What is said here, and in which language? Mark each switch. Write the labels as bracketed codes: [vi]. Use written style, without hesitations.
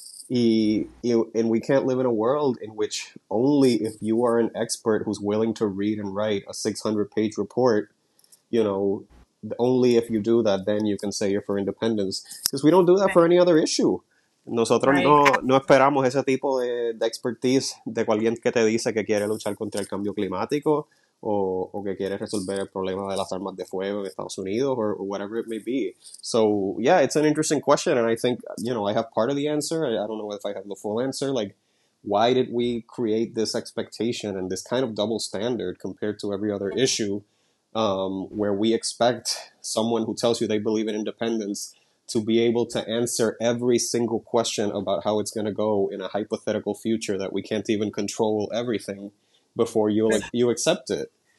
[en] And we can't live in a world in which only if you are an expert who's willing to read and write a 600-page report, you know, only if you do that, then you can say you're for independence. Because we don't do that for any other issue. [es] Nosotros no esperamos ese tipo de expertise de alguien que te dice que quiere luchar contra el cambio climático o que quiere resolver el problema de las armas de fuego en Estados Unidos [en] or whatever it may be. So, yeah, it's an interesting question, and I think, you know, I have part of the answer. I don't know if I have the full answer. Like, why did we create this expectation and this kind of double standard compared to every other issue where we expect someone who tells you they believe in independence to be able to answer every single question about how it's going to go in a hypothetical future that we can't even control everything before you accept it?